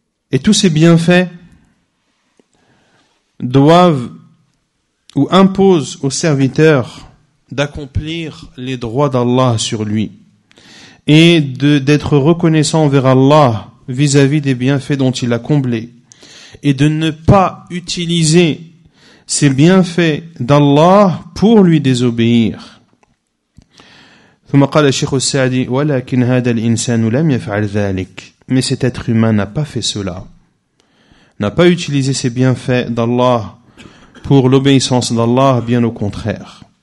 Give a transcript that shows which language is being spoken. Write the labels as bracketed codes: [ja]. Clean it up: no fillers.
[fr] Et tous ces bienfaits doivent ou imposent au serviteur d'accomplir les droits d'Allah sur lui et d'être reconnaissant envers Allah vis-à-vis des bienfaits dont il a comblé et de ne pas utiliser ces bienfaits d'Allah pour lui désobéir. [ar] ثم قال الشيخ السعدي ولكن هذا الإنسان لم يفعل ذلك. [fr] Mais cet être humain n'a pas fait cela, n'a pas utilisé ses bienfaits d'Allah pour l'obéissance d'Allah, bien au contraire.